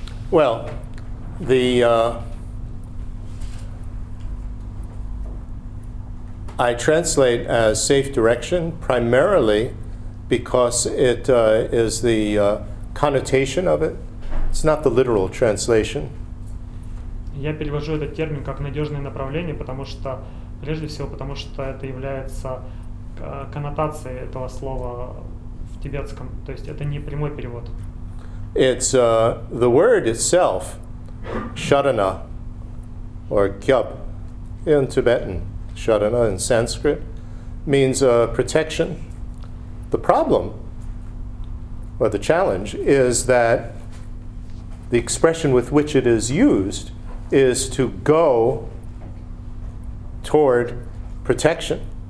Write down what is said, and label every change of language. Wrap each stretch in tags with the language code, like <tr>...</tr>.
<en>Well, the I translate as safe direction primarily because it is the connotation of it. It's not the literal translation.</en> <ru>Я перевожу этот термин как надёжное направление, потому что прежде всего, потому что это является коннотацией этого слова в тибетском. То есть это не прямой перевод.</ru> <en>It's the word itself, sharana or kyab in Tibetan. Sharana in Sanskrit means protection. The problem, or the challenge, is that the expression with which it is used is to go toward protection.</en>